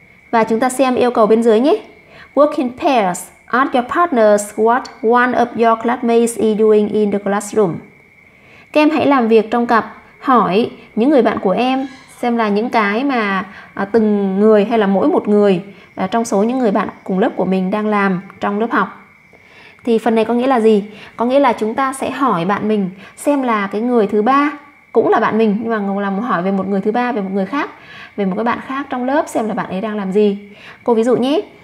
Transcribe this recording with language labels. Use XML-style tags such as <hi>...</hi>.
<vi>Và chúng ta xem yêu cầu bên dưới nhé.</vi> <en>Work in pairs. Ask your partners what one of your classmates is doing in the classroom.</en> <vi>Các em hãy làm việc trong cặp. Hỏi những người bạn của em xem là những cái mà từng người hay là mỗi một người trong số những người bạn cùng lớp của mình đang làm trong lớp học. Thì phần này có nghĩa là gì? Có nghĩa là chúng ta sẽ hỏi bạn mình xem là cái người thứ ba cũng là bạn mình, nhưng mà làm hỏi về một người thứ ba, về một người khác, về một cái bạn khác trong lớp xem là bạn ấy đang làm gì. Cô ví dụ nhé.</vi>